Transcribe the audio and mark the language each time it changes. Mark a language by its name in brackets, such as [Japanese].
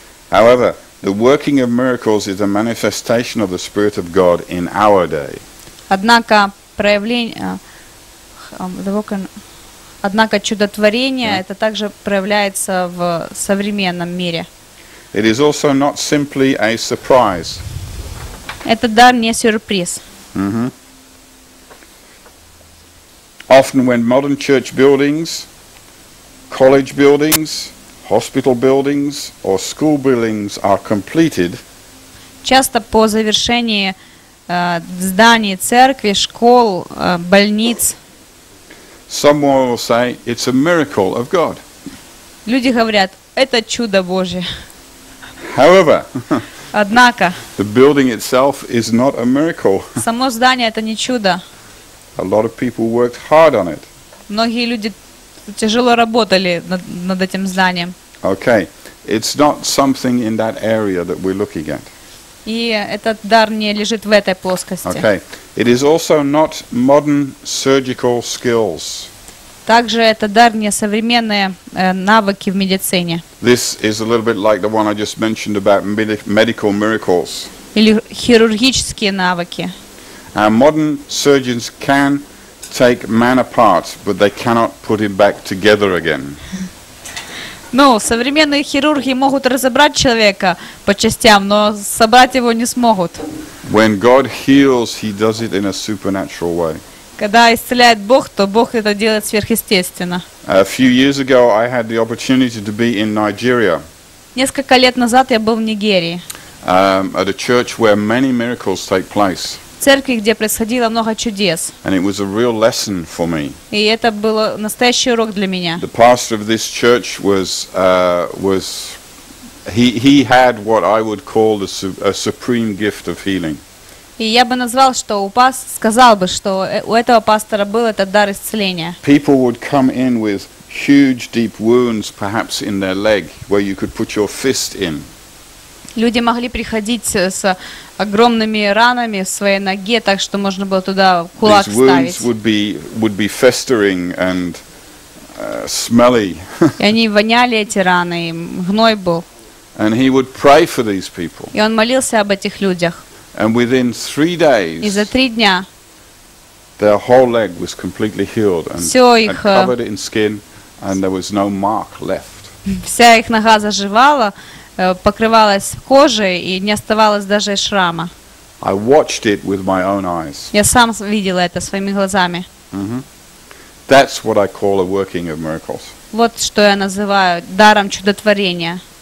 [English] However, the working of miracles is a manifestation of the Spirit of God in our day. [Russian] Однако проявление, однако чудотворение, это также проявляется в современном мире. [English] It is also not simply a surprise. [Russian] Это дар не сюрприз. [English] Often when modern church buildings, college buildings, hospital buildings or school buildings are completed. [Russian] Часто по завершении зданий церкви, школ, больниц. [English] Someone will say it's a miracle of God. [Russian] Люди говорят, это чудо Божье. [English] However. [Russian] Однако. [English] The building itself is not a miracle. [Russian] Само здание это не чудо. [English] A lot of people worked hard on it. [Russian] Многие люди тяжело работали над этим зданием. [English] Okay, it's not something in that area that we're looking at. [Russian] И этот дар не лежит в этой плоскости. [English] Okay, it is also not modern surgical skills. [Russian] Также это дар не современные навыки в медицине. [English] This is a little bit like the one I just mentioned about medical miracles. [Russian] Или хирургические навыки. [English] Our modern surgeons can take man apart, but they cannot put him back together again. [Russian] Ну, современные хирурги могут разобрать человека по частям, но собрать его не смогут. [English] When God heals, he does it in a supernatural way. [Russian] Когда исцеляет Бог, то Бог это делает сверхъестественно. [English] A few years ago I had the opportunity to be in Nigeria. [Russian] Несколько лет назад я был в Нигерии. [English] At a church where many miracles take place. [Russian] В церкви, где происходило много чудес. [English] And it was a real lesson for me. [Russian] И это был настоящий урок для меня. [English] The pastor of this church was he had what I would call a supreme gift of healing. [Russian] И я бы назвал, что сказал бы, что у этого пастора был этот дар исцеления. [English] People would come in with huge deep wounds, perhaps in their leg, where you could put your fist in. [Russian] Люди могли приходить с огромными ранами в своей ноге, так что можно было туда кулак вставить. [English] These wounds would be festering and smelly. [Russian] И они воняли эти раны, и гной был. [English] And he would pray for these people. [Russian] И он молился об этих людях. [English] And within 3 days. [Russian] И за 3 дня. [English] Their whole leg was completely healed and covered in skin, and there was no mark left. [Russian] Вся их нога заживала. покрывалась кожей и не оставалось даже шрама. [English] I watched it with my own eyes. [Russian] Я сам видела это своими глазами. [English] That's what I call a working of miracles. [Russian] Вот что я называю даром чудотворения.